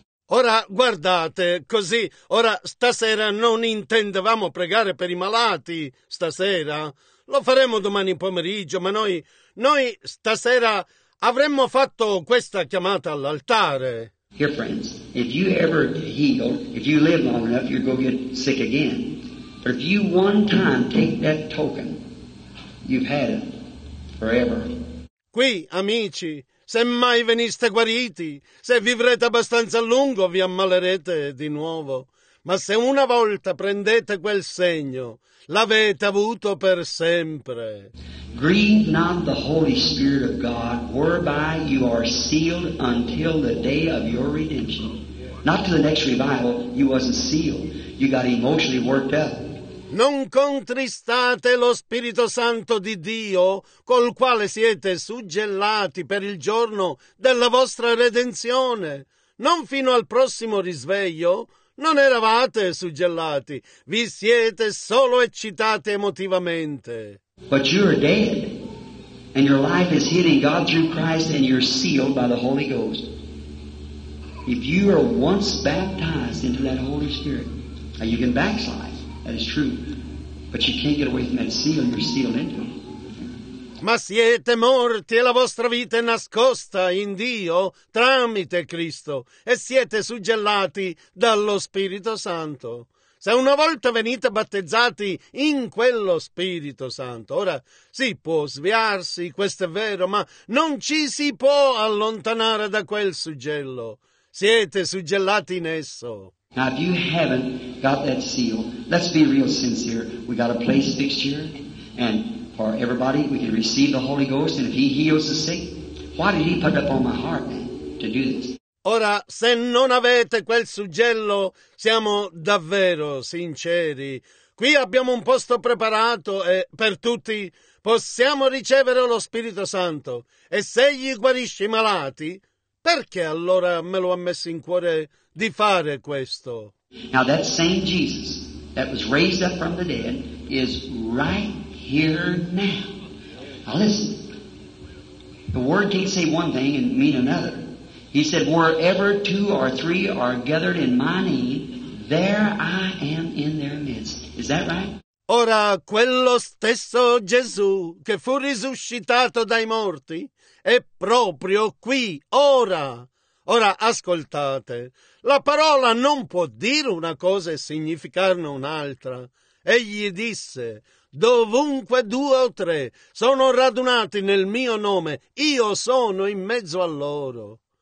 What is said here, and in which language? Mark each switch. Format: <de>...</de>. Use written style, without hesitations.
<it>Ora guardate, così, ora stasera non intendevamo pregare per i malati stasera. Lo faremo domani pomeriggio, ma noi stasera avremmo fatto questa chiamata all'altare.</it> <en>Here, friends, if you ever heal, if you live long enough, you'll go get sick again. But if you one time take that token, you've had it forever.</en> <it>Qui, amici, se mai veniste guariti, se vivrete abbastanza a lungo, vi ammalerete di nuovo. Ma se una volta prendete quel segno, l'avete avuto per sempre.</it> <en>Grieve not the Holy Spirit of God, whereby you are sealed until the day of your redemption. Not to the next revival, you wasn't sealed. You got emotionally worked up.</en> <it>Non contristate lo Spirito Santo di Dio, col quale siete suggellati per il giorno della vostra redenzione. Non fino al prossimo risveglio. Non eravate suggellati, vi siete solo eccitati emotivamente.</it> <en>But you are dead, and your life is hidden in God through Christ, and you're sealed by the Holy Ghost. If you are once baptized into that Holy Spirit, now you can backslide, that is true, but you can't get away from that seal, you're sealed into it.</en> <it>Ma siete morti e la vostra vita è nascosta in Dio tramite Cristo e siete suggellati dallo Spirito Santo. Se una volta venite battezzati in quello Spirito Santo, ora si può sviarsi, questo è vero, ma non ci si può allontanare da quel suggello. Siete suggellati in esso.</it> <en>Now, if you haven't got that seal, let's be real sincere. We got a place fixed here and for everybody, we can receive the Holy Ghost, and if he heals the sick, why did he put up on my heart, man, to do this?</en> <it>Ora, se non avete quel suggello, siamo davvero sinceri. Qui abbiamo un posto preparato e per tutti possiamo ricevere lo Spirito Santo. E se gli guarisce i malati, perché allora me lo ha messo in cuore di fare questo?</it> <en>Now that same Jesus that was raised up from the dead is right here now. Now listen. The word can't say one thing and mean another. He said, wherever two or three are gathered in my name, there I am in their midst. Is that right?</en> <it>Ora, quello stesso Gesù che fu risuscitato dai morti è proprio qui, ora. Ora, ascoltate. La parola non può dire una cosa e significarne un'altra. Egli disse, dovunque due o tre sono radunati nel mio nome, io sono in mezzo a loro.</it>